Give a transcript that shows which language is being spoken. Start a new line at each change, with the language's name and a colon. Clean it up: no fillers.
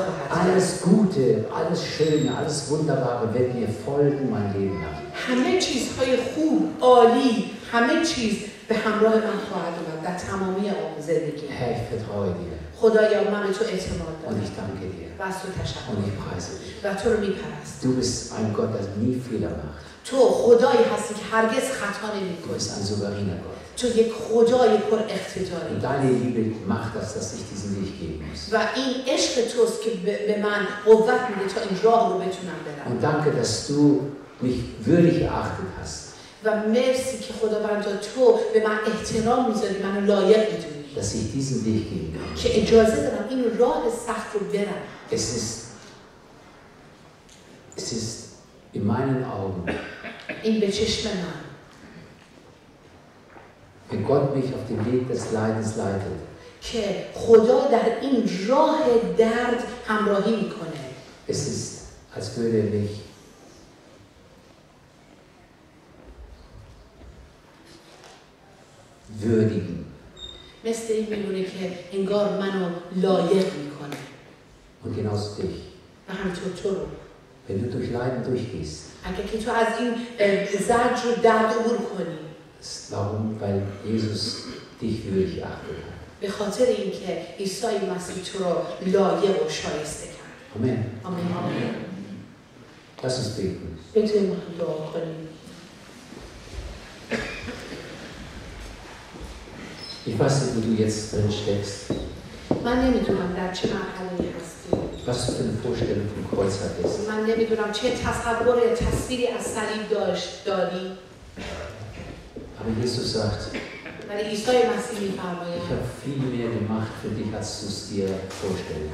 German: Alles Gute, alles Schöne, alles Wunderbare wird mir folgen mein Leben lang.
Persian: همه چیزهای خوب، عالی، همه چیز به همراه من خواهد آمد. در تمامی زندگی.
German: Helfe treu dir.
Persian: خدایا من به تو اعتماد دارم.
German: Und ich danke dir.
Persian: و از تو تشکر.
German: Und ich preise dich.
Persian: و تو رو میپرستم.
German: Du bist ein Gott, der nie Fehler macht.
Persian: تو خدایی هستی که هرگز خطا نمی‌کنی. تو یک خدای پر اختیاری.
German: Deine Liebe macht das, dass ich diesen Weg gehen muss.
Persian: و این عشق توست که به من قوت میده تا این راه رو بتونم برم.
German: Und danke, dass du mich würdig erachtet hast.
Persian: و مرسی که خداوند تو به من احترام میذاری، منو لایق میدونی.
German: Dass ich diesen Weg gehen kann.
Persian: که اجازه دارم این راه سخت رو برم.
German: Es ist in meinen Augen.
Persian: این به چشم من.
German: Wenn Gott mich auf dem Weg des Leidens leitet.
Persian: که خدا در این راه درد همراهی میکنه.
German: Es ist, als würde er mich würdigen.
Persian: مثل این میمونه که انگار منو لایق میکنه.
German: Und genauso dich.
Persian: و همینطور تو رو.
German: Wenn du durch Leiden durchgehst.
Persian: اگه که تو از این زرج رو درد عبور کنی.
German: Warum? Weil Jesus dich würdig achtet.
Persian: به خاطر اینکه عیسی مسیح تو رو لایق و شایسته کرد. آمین. آمین.
German: Lass uns beten. Bitte machen wir auch. Ich weiß nicht, wo du jetzt drin steckst.
Persian: من نمیدونم در چه مرحله‌ای هستی.
German: Was du für eine Vorstellung vom Kreuz hattest.
Persian: من نمیدونم چه تصور یا تصویری از صلیب داری.
German: Aber Jesus sagt, ich habe viel mehr gemacht für dich, als du es dir vorstellen